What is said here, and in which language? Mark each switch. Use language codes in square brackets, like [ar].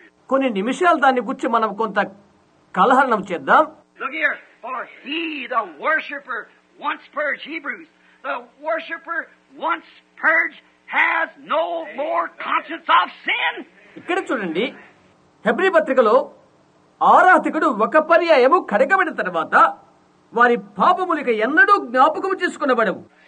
[te] కొన్ని నిమిషాలు దాన్ని గుర్చి మనం కొంత కలహరణం చేద్దాం. [en] Look here, for he, the worshipper, once purged, Hebrews, the worshipper once purged has no more conscience of sin. [te] ఇక్కడ చూడండి, హెబ్రీ పత్రికలో ఆరాధకుడు ఒక పర్యాయము కడగబడిన తర్వాత వారి పాపములకు ఎన్నడూ జ్ఞాపకం చేసుకునబడవు.